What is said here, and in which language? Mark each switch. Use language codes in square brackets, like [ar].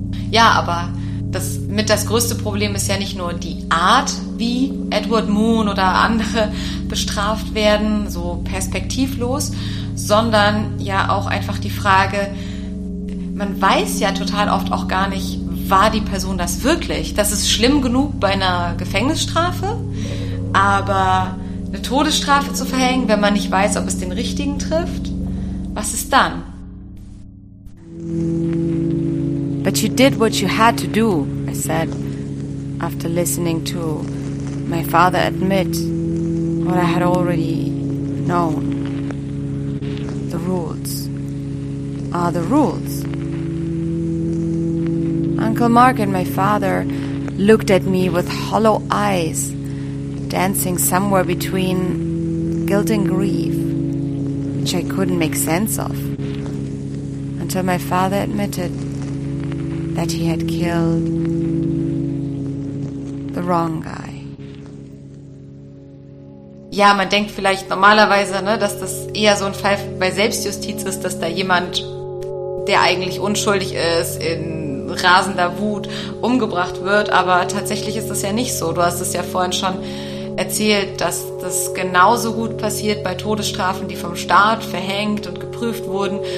[de] Ja, aber das größte Problem ist ja nicht nur die Art, wie Edward Moon oder andere bestraft werden, so perspektivlos, sondern ja auch einfach die Frage, man weiß ja total oft auch gar nicht, war die Person das wirklich? Das ist schlimm genug bei einer Gefängnisstrafe, aber eine Todesstrafe zu verhängen, wenn man nicht weiß, ob es den Richtigen trifft, was ist dann? [en] But you did what you had to do, I said, after listening to my father admit what I had already known. The rules are the rules. Uncle Mark and my father looked at me with hollow eyes, dancing somewhere between guilt and grief, which I couldn't make sense of, until my father admitted that he had killed the wrong guy. [de] Ja, man denkt vielleicht normalerweise, ne, dass das eher so ein Fall bei Selbstjustiz ist, dass da jemand, der eigentlich unschuldig ist, in rasender Wut umgebracht wird, aber tatsächlich ist das ja nicht so. Du hast es ja vorhin schon erzählt, dass das genauso gut passiert bei Todesstrafen, die vom Staat verhängt und geprüft wurden.